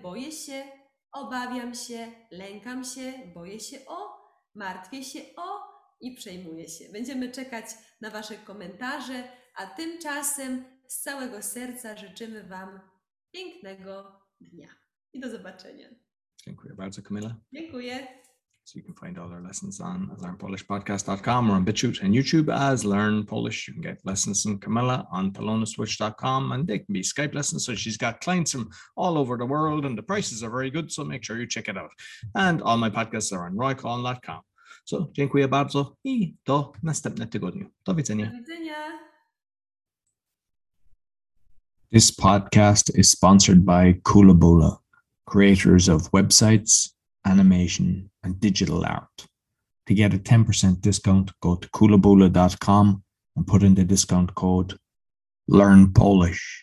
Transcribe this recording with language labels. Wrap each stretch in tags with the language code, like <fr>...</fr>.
<pl>Boję się, obawiam się, lękam się, boję się o, martwię się o i przejmuję się. Będziemy czekać na wasze komentarze, a tymczasem z całego serca życzymy wam pięknego dnia. I do zobaczenia. Dziękuję bardzo, Kamila. Dziękuję.</pl> <en>So you can find all our lessons on learnpolishpodcast.com or on BitChute and YouTube as Learn Polish. You can get lessons from Kamila on polonaswitch.com, and they can be Skype lessons. So she's got clients from all over the world and the prices are very good. So make sure you check it out. And all my podcasts are on roycall.com.</en> <pl>So dziękuję bardzo i do następnego tygodnia. Do widzenia. Do widzenia.</pl> <en>This podcast is sponsored by Koolaboola, creators of websites, animation, and digital art. To get a 10% discount, go to koolaboola.com and put in the discount code LearnPolish.</en>